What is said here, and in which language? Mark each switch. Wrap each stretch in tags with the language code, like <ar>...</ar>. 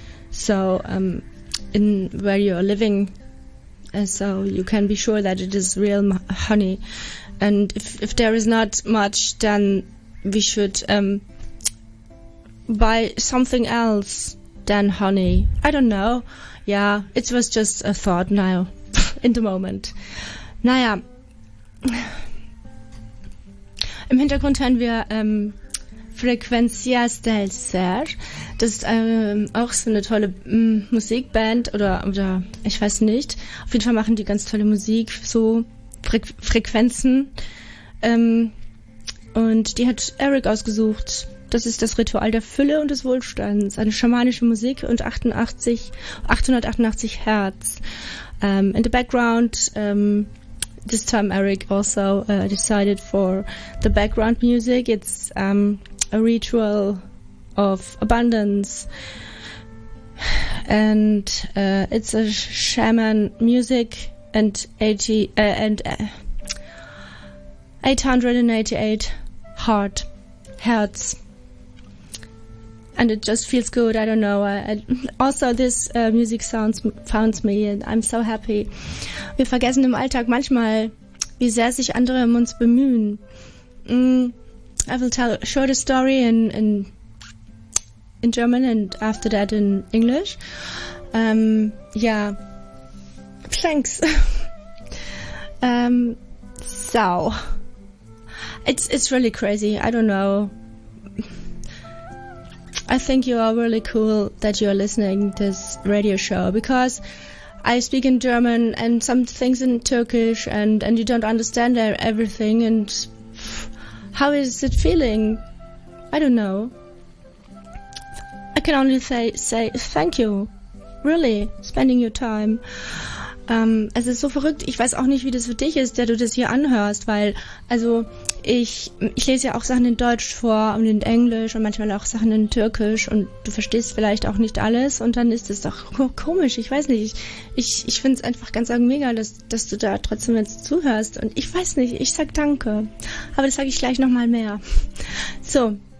<en>So, in where you're living. So you can be sure that it is real honey. And if there is not much, then we should buy something else than honey. I don't know. Yeah, it was just a thought now. In the moment.</en> <de>Naja. Im Hintergrund hören wir Frecuencias del Ser. Das ist auch so eine tolle Musikband oder ich weiß nicht. Auf jeden Fall machen die ganz tolle Musik, so Frequenzen. Und die hat Eric ausgesucht. Das ist das Ritual der Fülle und des Wohlstands. Eine schamanische Musik und 888 Hertz.</de> <en>In the background, this time Eric also decided for the background music. It's a ritual of abundance. And it's a shaman music and 888 hertz. And it just feels good. I don't know. Also, this music sounds me, and I'm so happy.</en> <de>Wir vergessen im Alltag manchmal, wie sehr sich andere um uns bemühen.</de> <en>I will tell a shorter story in German and after that in English. Yeah. Thanks. So. It's really crazy. I don't know. I think you are really cool that you are listening this radio show, because I speak in German and some things in Turkish, and you don't understand everything, and how is it feeling? I don't know. I can only say thank you, really, spending your time.</en> <de>Es ist so verrückt, ich weiß auch nicht, wie das für dich ist, der du das hier anhörst, weil, also, ich lese ja auch Sachen in Deutsch vor und in Englisch und manchmal auch Sachen in Türkisch und du verstehst vielleicht auch nicht alles und dann ist es doch komisch, ich weiß nicht, ich finde es einfach ganz mega, dass du da trotzdem jetzt zuhörst und ich weiß nicht, ich sag danke, aber das sage ich gleich nochmal mehr. So.</de>